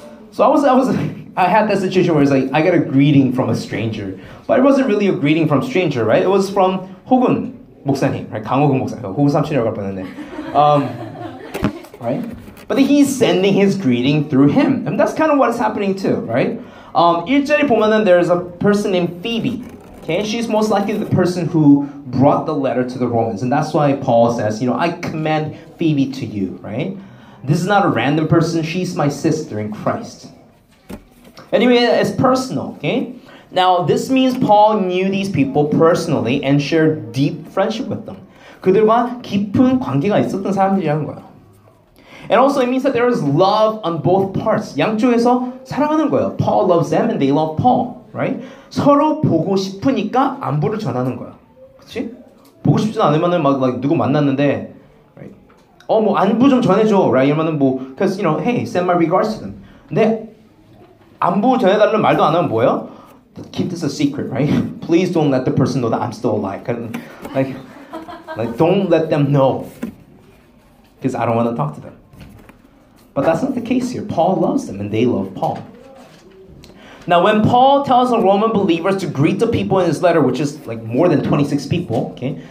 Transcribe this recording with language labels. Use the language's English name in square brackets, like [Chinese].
[English] So I was like, I had that situation where it's like, I got a greeting from a stranger. But it wasn't really a greeting from stranger, right? It was from 호군 목사님, right? [Korean] 강호군 목사님. 호구 삼촌이라고 할 뻔했네. [English] Right? But he's sending his greeting through him. And that's kind of what is happening too, right? [Korean] 1절에 보면은 [English] there's a person named Phoebe. Okay? She's most likely the person who brought the letter to the Romans. And that's why Paul says, you know, I commend Phoebe to you, right? This is not a random person. She's my sister in Christ. Anyway, it's personal, okay? Now, this means Paul knew these people personally and shared deep friendship with them. [Korean] 그들과 깊은 관계가 있었던 사람들이라는 거예요. [English] And also it means that there is love on both parts. [Korean] 양쪽에서 사랑하는 거예요. [English] Paul loves them and they love Paul, right? [Korean] 서로 보고 싶으니까 안부를 전하는 거야. 그렇지? 보고 싶지 않으면은 막 누구 만났는데 right? 뭐 안부 좀 전해 줘. right? 이러면은 뭐 [English] cuz you know, hey, send my regards to them. [Korean] 근데 안부 전해 달라는 말도 안 하면 뭐예요? [English] Keep this a secret, right? Please don't let the person know that I'm still alive. Like, don't let them know. Because I don't want to talk to them. But that's not the case here. Paul loves them, and they love Paul. Now, when Paul tells the Roman believers to greet the people in his letter, which is, like, more than 26 people, okay?